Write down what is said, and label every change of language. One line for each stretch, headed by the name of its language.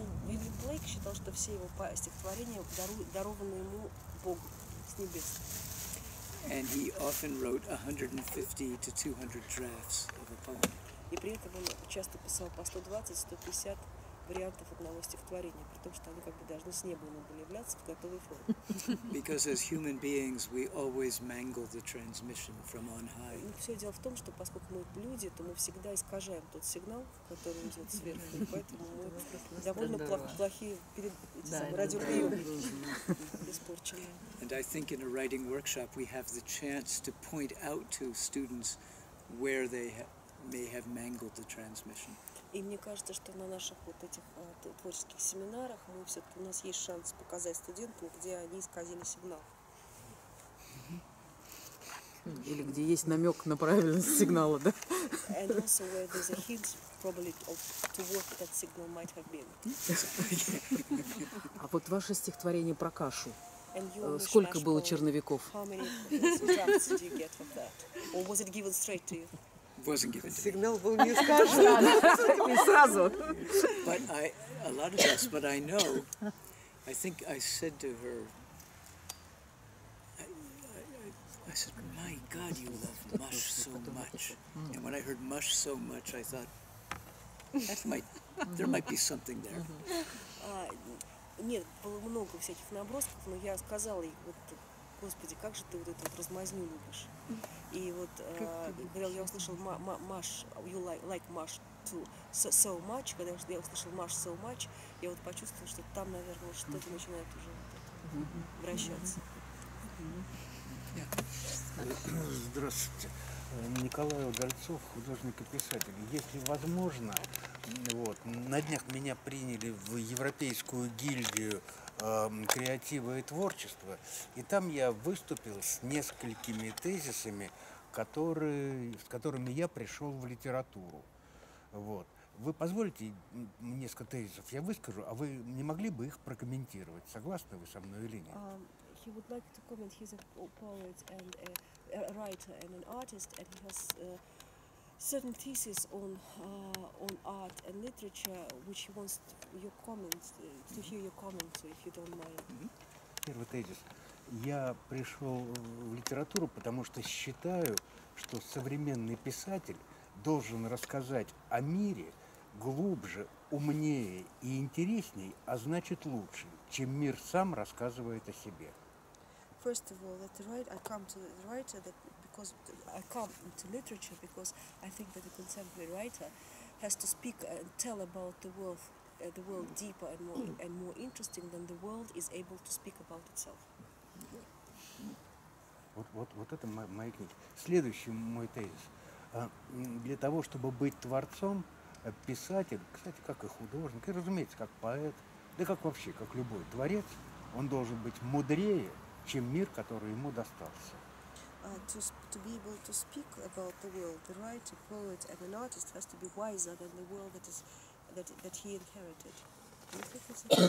Russian: William Blake считал, что все его стихотворения дарованы ему Богом с небес.
English: And he often wrote 150 to 200 drafts of a poem.
Russian: И при этом он часто писал по 120-150 вариантов одного стихотворения, при том, что они как бы должны с неба ему были являться в готовой форме.
English: Because as human beings we always mangle the transmission from on high.
Russian: Ну, все дело в том, что поскольку мы люди, то мы всегда искажаем тот сигнал, который идет сверху, поэтому мы довольно плохие радиоприемники испорченные.
English: And I think in a writing workshop we have the chance to point out to students where they may have mangled the transmission.
Russian: И мне кажется, что на наших вот этих творческих семинарах мы все-таки, у нас есть шанс показать студентам, где они исказили сигнал. Или где есть намек на правильность сигнала, да?
English: And also where there's a hint probably of to what that signal might have been.
Russian: А вот ваше стихотворение про кашу. Сколько было черновиков?
English: How many drafts did you get from that? Or was it given straight to you?
Russian: Сигнал был не скажен, и сразу.
English: But I, a lot of us, but I know, I think I said to her, I said, my God, you love mush so much. And when I heard mush so much, I thought, there might be something there.
Russian: Нет, было много всяких набросков, но я сказала ей, Господи, как же ты вот эту вот размазню любишь. И вот, когда я услышал Маш, you like Маш too, so much, когда я услышал Маш so much, я вот почувствовала, что там, наверное, вот что-то начинает уже вот вращаться. Здравствуйте. Николай Удальцов, художник и писатель. Если возможно, вот, на днях меня приняли в Европейскую гильдию креатива и творчества, и там я выступил с несколькими тезисами, с которыми я пришел в литературу. Вот. Вы позволите несколько тезисов я выскажу, а вы не могли бы их прокомментировать? Согласны вы со мной или нет?
English: He would like to comment. He's a poet and a writer and an artist, and he has certain theses on art and literature, which he wants your comments to hear your comments, if you don't mind.
Russian: Первый тезис. Я пришел в литературу, потому что считаю, что современный писатель должен рассказать о мире глубже, умнее и интереснее, а значит лучше, чем мир сам рассказывает о себе.
English: First of all, I come to literature because I think that the contemporary writer has to speak and tell about the world deeper and more interesting than the world is able to speak about itself.
Russian: Вот это моя книга. Следующий мой тезис. Для того, чтобы быть творцом, писатель, кстати, как и художник, и, разумеется, как поэт, да как вообще, как любой творец, он должен быть мудрее, чем мир, который ему достался.
English: To be able to speak about the world, the writer, poet, and an artist has to be wiser than the world that is that he inherited.